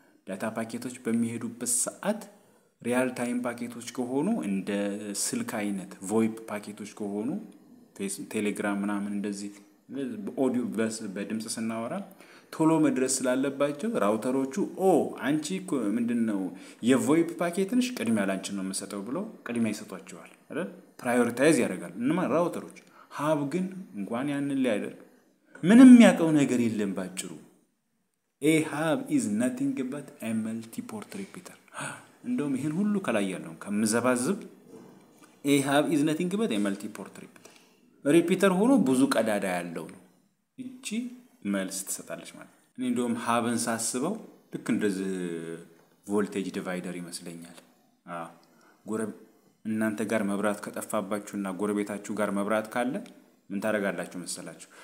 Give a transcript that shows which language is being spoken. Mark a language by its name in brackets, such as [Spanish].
[Amharic] ዳታ ፓኬቶች በሚሄዱበት ሰዓት ሪያል ታይም ፓኬቶች ከሆኑ እንደ ስልክ አይነት VoIP ፓኬቶች ከሆኑ ቴሌግራም እናም እንደዚህ በኦዲዮ በድምጽ ስናወራ ቶሎ መድረስ ስላለባቸው ራውተሮቹ ኦ አንቺ ምንድነው የVoIP ፓኬትንሽ ቅድሚያ ላንቺ ነው መሰጠው ብሎ ቅድሚያ ይሰጣቸዋል አይደል? ፕራዮሪታይዝ ያደርጋል እነማን ራውተሮች ሀብ ግን እንኳን ያን ለያደር ምንም ያቀው ነገር የለም ባጭሩ [English] A hub is nothing but a multi-port repeater. [Amharic] እንደውም ይሄን ሁሉ ካላያለው ከመዘባዝብ [English] A hub is nothing but a multi-port repeater. [Amharic] repeater ሆኖ ብዙ ቀዳዳ ያለው ነው። እቺ መልስ ተሰጣለች ማለት ነው። እኔ እንደውም hub-ን ሳስበው ልክ እንደዚህ voltage divider ይመስለኛል። አዎ ጎረብ እናንተ ጋር መብራት ከጠፋባችሁና ጎረቤታችሁ ጋር መብራት ካለ ምን ታረጋላችሁ መሰላችሁ?